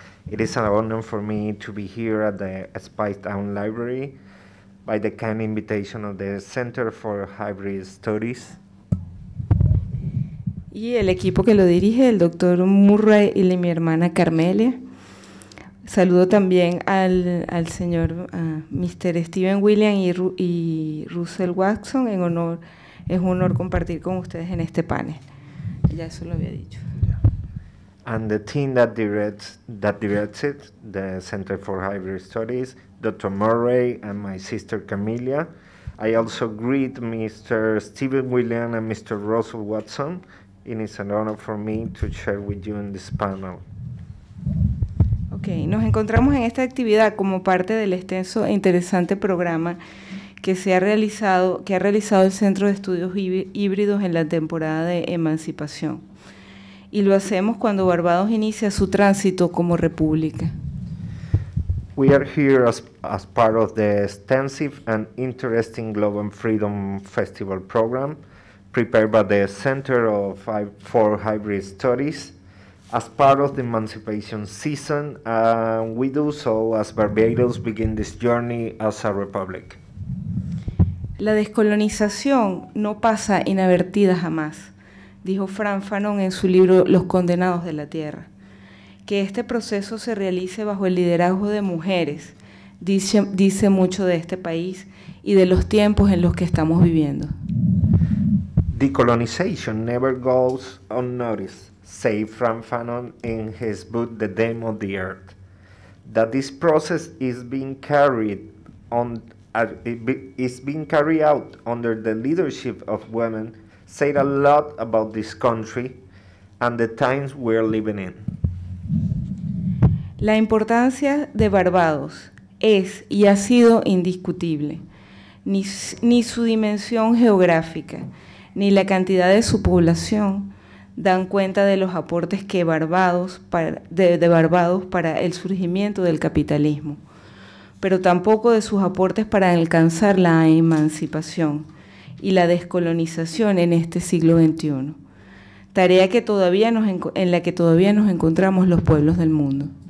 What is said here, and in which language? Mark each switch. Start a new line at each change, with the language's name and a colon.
English: It is an honor for me to be here at the Spicetown Library by the kind invitation of the Center for Hybrid Studies.
Spanish: Y el equipo que lo dirige, el doctor Murray y mi hermana Carmelia. Saludo también al señor Mr. Stephen Williams y Russell Watson. En honor, es un honor compartir con ustedes en este panel. Ya eso lo había dicho.
English: And the team that directs it, the Center for Hybrid Studies, Dr. Murray and my sister Camilla. I also greet Mr. Stephen William and Mr. Russell Watson. It is an honor for me to share with you in this panel.
Spanish: Okay, nos encontramos en esta actividad como parte del extenso e interesante programa que ha realizado el Centro de Estudios Híbridos en la temporada de emancipación. Y lo hacemos cuando Barbados inicia su tránsito como república.
English: We are here as part of the extensive and interesting Global Freedom Festival program prepared by the Center for Hybrid Studies as part of the emancipation season. We do so as Barbados begin this journey as a republic.
Spanish: La descolonización no pasa inadvertida jamás, dijo Frank Fanon en su libro Los Condenados de la Tierra. Que este proceso se realice bajo el liderazgo de mujeres dice mucho de este país y de los tiempos en los que estamos viviendo.
English: Decolonization never goes unnoticed, say Frank Fanon in his book The Dame of the Earth. That this process is being carried out under the leadership of women said a lot about this country and the times we're living in.
Spanish: La importancia de Barbados es y ha sido indiscutible. Ni su dimensión geográfica, ni la cantidad de su población dan cuenta de los aportes que Barbados para el surgimiento del capitalismo, pero tampoco de sus aportes para alcanzar la emancipación y la descolonización en este siglo XXI, tarea que todavía en la que todavía nos encontramos los pueblos del mundo.